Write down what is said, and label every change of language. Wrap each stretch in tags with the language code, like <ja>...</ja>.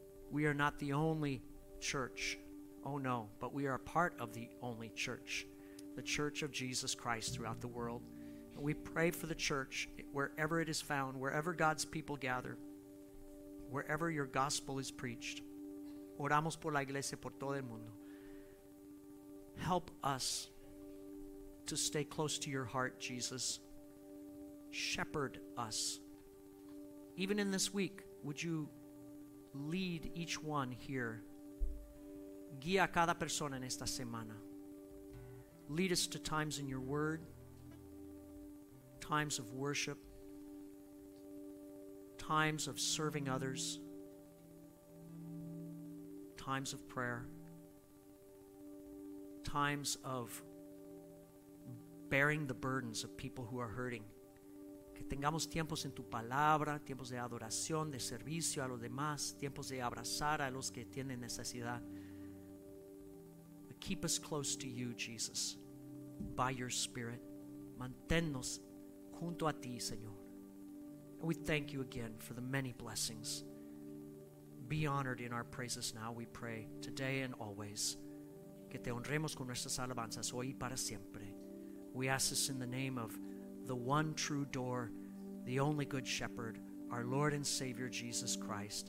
<en>We are not the only church. Oh no, but we are a part of the only church, the Church of Jesus Christ throughout the world. And we pray for the church wherever it is found, wherever God's people gather, wherever your gospel is preached.</en> <es>Oramos por la iglesia por todo el mundo.</es> <en>Help us to stay close to your heart, Jesus. Shepherd us. Even in this week, would you lead each one here?</en> <es>Guía cada persona en esta semana.</es> <en>Lead us to times in your word, times of worship, times of serving others, times of prayer, times of bearing the burdens of people who are hurting.</en> <es>Que tengamos tiempos en tu palabra, tiempos de adoración, de servicio a los demás, tiempos de abrazar a los que tienen necesidad.</es> <en>Keep us close to you, Jesus, by your Spirit.</en> <es>Manténnos junto a ti, Señor.</es> <en>And we thank you again for the many blessings. Be honored in our praises now, we pray, today and always.</en> <es>Que te honremos con nuestras alabanzas hoy y para siempre.</es> <en>We ask this in the name of the one true door, the only good shepherd, our Lord and Savior, Jesus Christ.</en>